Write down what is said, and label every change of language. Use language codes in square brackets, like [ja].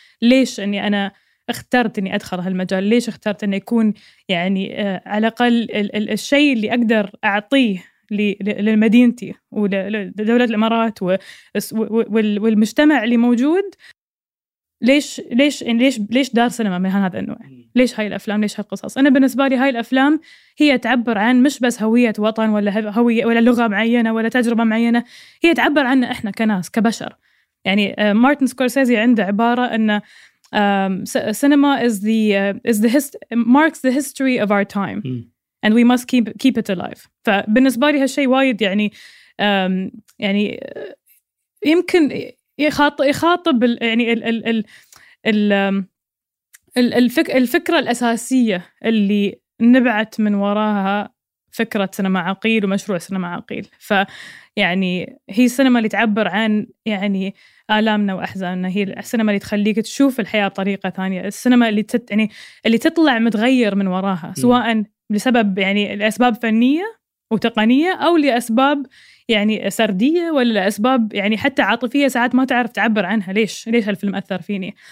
[ar] ليش أني أنا اخترت أني أدخل هالمجال؟ ليش اخترت أن يكون يعني على الأقل الشيء اللي أقدر أعطيه للمدينتي ولدولة الإمارات والمجتمع اللي موجود؟ ليش دار سينما من هذا النوع؟ ليش هاي الأفلام؟ ليش هالقصص؟ أنا بالنسبة لي هاي الأفلام هي تعبر عن مش بس هوية وطن ولا هوية ولا لغة معينة ولا تجربة معينة، هي تعبر عنا إحنا كناس كبشر. يعني مارتن سكورسيزي عنده عبارة أن سينما [en] marks the history of our time and we must keep it alive. [ar] فبالنسبة لي هالشيء وايد يعني يعني يمكن يخاطب يعني ال ال ال ال الفكرة الأساسية اللي نبعت من وراها فكرة سينما عقيل ومشروع سينما عقيل. فيعني هي السينما اللي تعبر عن يعني آلامنا وأحزاننا، هي السينما اللي تخليك تشوف الحياة بطريقة ثانية، السينما اللي يعني اللي تطلع متغير من وراها، سواء لسبب يعني الأسباب فنية وتقنية أو لأسباب يعني سردية ولا أسباب يعني حتى عاطفية ساعات ما تعرف تعبر عنها، ليش هالفيلم أثر فيني.